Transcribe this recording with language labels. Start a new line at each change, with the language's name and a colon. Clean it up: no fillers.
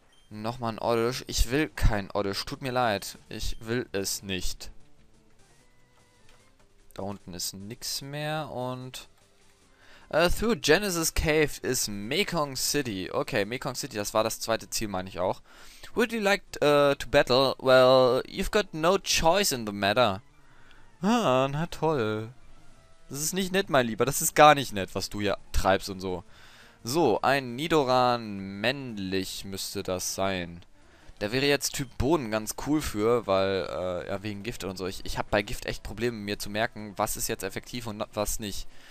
German: Noch mal ein Oddish. Ich will kein Oddish. Tut mir leid. Ich will es nicht. Da unten ist nichts mehr und
English: Through Genesis Cave is Mekong City.
German: Okay, Mekong City, das war das zweite Ziel, meine ich auch.
English: Would you like to battle? Well, you've got no choice in the matter.
German: Ah, na toll. Das ist nicht nett, mein Lieber. Das ist gar nicht nett, was du hier treibst und so. So, ein Nidoran männlich müsste das sein. Der wäre jetzt Typ Boden ganz cool für, weil, ja, wegen Gift und so. Ich habe bei Gift echt Probleme, mir zu merken, was ist jetzt effektiv und was nicht.